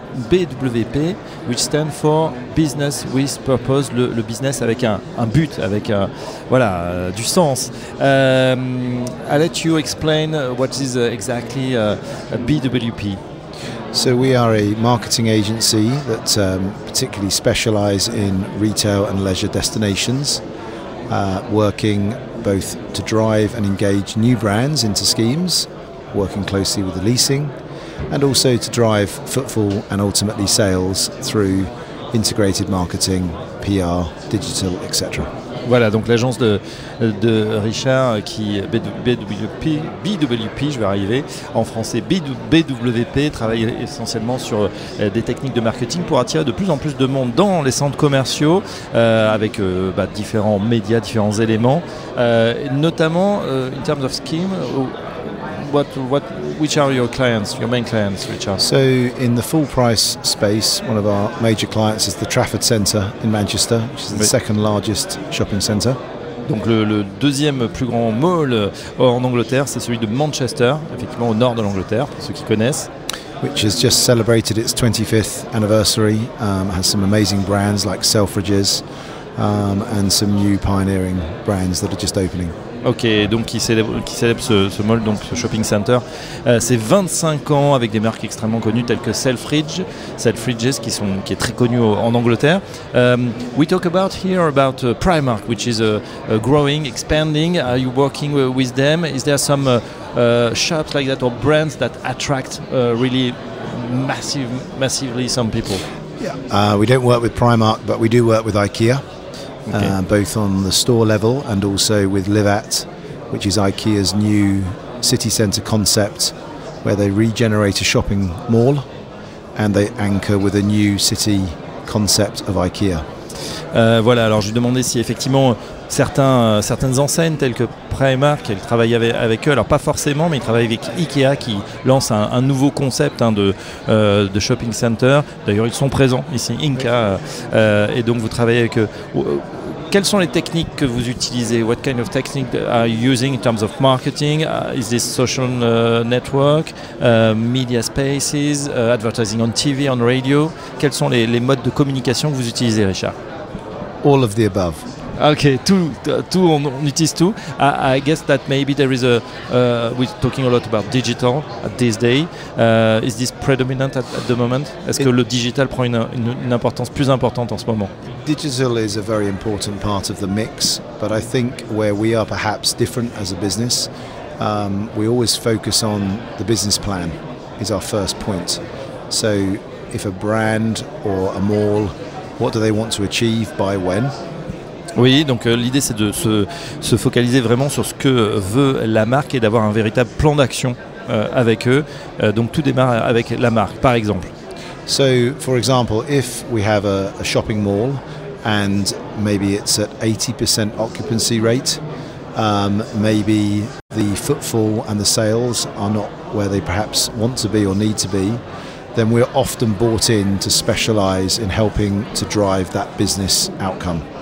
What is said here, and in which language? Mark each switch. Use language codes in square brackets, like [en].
[en] BWP, which stands for Business with Purpose, [fr] le business avec un but, avec un, voilà, du sens. [en] I'll let you explain what is exactly BWP. So we are a marketing agency that particularly specialise in retail and leisure destinations, working both to drive and engage new brands into schemes, working closely with the leasing, and also to drive footfall and ultimately sales through integrated marketing, PR, digital, etc. [fr] Voilà, donc l'agence de Richard, qui BWP, je vais arriver en français, BWP, travaille essentiellement sur des techniques de marketing pour attirer de plus en plus de monde dans les centres commerciaux avec différents médias, différents éléments, notamment [en] in terms of scheme. Which are your clients, your main clients, Richard? So in the full price space, one of our major clients is the Trafford Centre in Manchester, which is the second largest shopping centre. [fr] Donc le deuxième plus grand mall en Angleterre, c'est celui de Manchester, effectivement au nord de l'Angleterre, pour ceux qui connaissent. [en] Which has just celebrated its 25th anniversary, has some amazing brands like Selfridges and some new pioneering brands that are just opening. [fr] Ok, donc qui célèbre ce mall, donc ce shopping center, c'est 25 ans avec des marques extrêmement connues telles que Selfridges qui est très connu en Angleterre. [en] We talk about here about Primark, which is growing, expanding. Are you working with them? Is there some shops like that or brands that attract really massively some people? Yeah, we don't work with Primark, but we do work with IKEA. Okay. Both on the store level and also with Livat, which is IKEA's new city centre concept, where they regenerate a shopping mall and they anchor with a new city concept of IKEA. [fr] Voilà, alors je lui demandais si effectivement certaines enseignes telles que Primark, elles travaillent avec eux, alors pas forcément, mais ils travaillent avec IKEA qui lance un nouveau concept de shopping center. D'ailleurs, ils sont présents ici, Inca, et donc vous travaillez avec eux. Quelles sont les techniques que vous utilisez? [en] What kind of technique are you using in terms of marketing? Is this social network, media spaces, advertising on TV, on radio? [fr] Quels sont les modes de communication que vous utilisez, Richard? [en] All of the above. [fr] Ok, tout on utilise tout. [en] I guess that maybe there is a we're talking a lot about digital at this day. Is this predominant at the moment? [fr] Est-ce que le digital prend une importance plus importante en ce moment? [en] Digital is a very important part of the mix, but I think where we are perhaps different as a business, we always focus on the business plan is our first point. So if a brand or a mall, what do they want to achieve by when? [fr] Oui, donc l'idée c'est de se focaliser vraiment sur ce que veut la marque et d'avoir un véritable plan d'action avec eux. Donc tout démarre avec la marque, par exemple. [en] So, for example, if we have a shopping mall and maybe it's at 80% occupancy rate, maybe the footfall and the sales are not where they perhaps want to be or need to be, then we're often bought in to specialize in helping to drive that business outcome.